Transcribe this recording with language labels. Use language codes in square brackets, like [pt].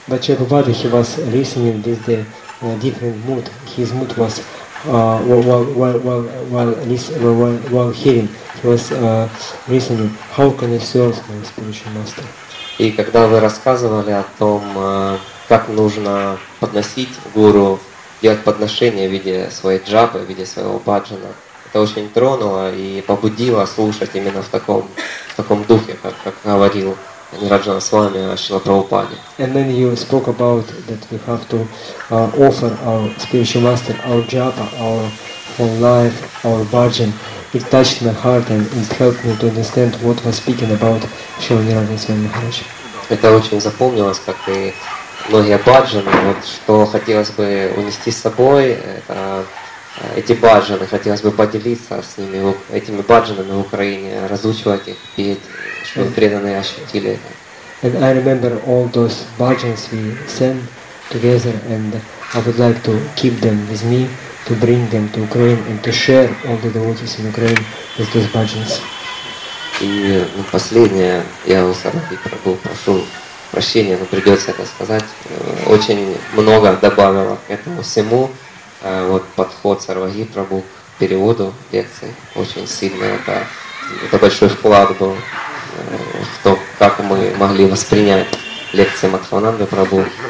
[en] But Shri Prabhupada, he was listening with the different mood. His mood was while hearing. He was listening, how can I serve my spiritual master? [ru] И когда вы рассказывали о том, как нужно подносить гуру, делать подношение в виде своей джапы, в виде своего баджана, это очень тронуло и побудило слушать именно в таком духе, как говорил Нираджана Свами о Шрила Прабхупаде. [en] And then you spoke about that we have to offer our spiritual master our japa, our whole life, our bhajan. It touched my heart and it helped me to understand what was speaking about Шрила Нираджана Свами Махарадж. [ru] Это очень запомнилось, как и многие бхаджаны. Вот что хотелось бы унести с собой, это эти баджаны, хотелось бы поделиться с ними, этими баджанами в Украине, разучивать их, петь, чтобы преданные ощутили это. [en] And I remember all those баджанс we sent together, and I would like to keep them with me, to bring them to Ukraine, and to share all the devotees in Ukraine with those баджанс. [ru] И последнее, я у Сарати Прабху прошу прощения, но придется это сказать, очень много добавило к этому всему. Вот подход Сарваги Прабху к переводу лекции очень сильный. Это большой вклад был в то, как мы могли воспринять лекции Матхавананды Прабху.